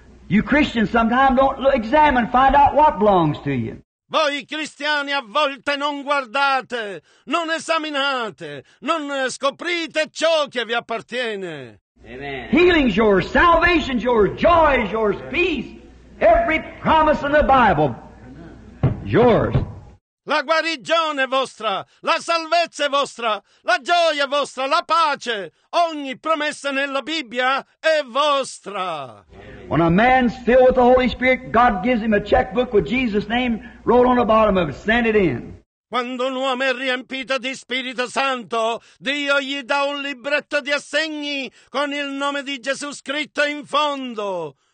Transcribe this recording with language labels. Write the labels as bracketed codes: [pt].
[en] You Christians sometimes don't examine, find out what belongs to you. [it] Voi cristiani a volte non guardate, non esaminate, non scoprite ciò che vi appartiene. Amen. [en] Healing's yours, salvation's yours, joy is yours, peace. Every promise in the Bible is yours. [it] La guarigione è vostra, la salvezza è vostra, la gioia è vostra, la pace. Ogni promessa nella Bibbia è vostra. [en] When a man's filled with the Holy Spirit, God gives him a checkbook with Jesus' name wrote on the bottom of it. Send it in. [it] Quando un uomo è riempito di Spirito Santo, Dio gli dà un libretto di assegni con il nome di Gesù scritto in fondo.